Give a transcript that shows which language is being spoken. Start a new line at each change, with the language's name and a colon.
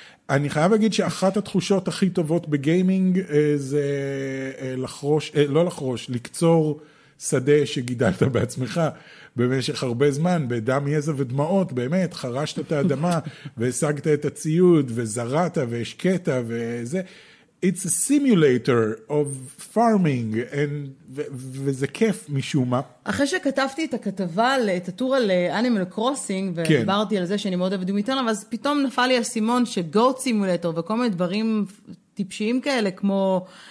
Hebrew: אני חייב להגיד שאחת התחושות הכי טובות בגיימינג זה לחרוש, לא לחרוש, לקצור שדה שגידלת בעצמך. במשך הרבה זמן, בדם יזע ודמעות, באמת, חרשת את האדמה, והשגת את הציוד, וזרעת, והשקעת, וזה.
English: It's a simulator of farming, and,
Hebrew: וזה כיף משום מה. אחרי שכתבתי את הכתבה, את הטור על Animal Crossing, ודיברתי כן. על זה שאני מאוד אוהב דומיתן, אבל פתאום נפל לי הסימון שגוט סימולטור, וכל מיני דברים טיפשיים כאלה, כמו...